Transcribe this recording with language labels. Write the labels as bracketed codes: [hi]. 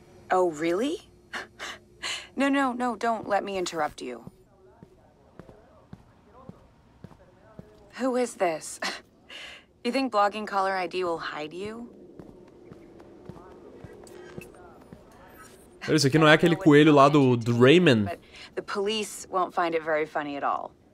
[en] Oh, really? No, no, no, don't let me interrupt you. Who is this? You think blogging caller ID will hide you? [pt] Isso aqui não é aquele coelho lá do Rayman. [en] The police won't find it very funny at all.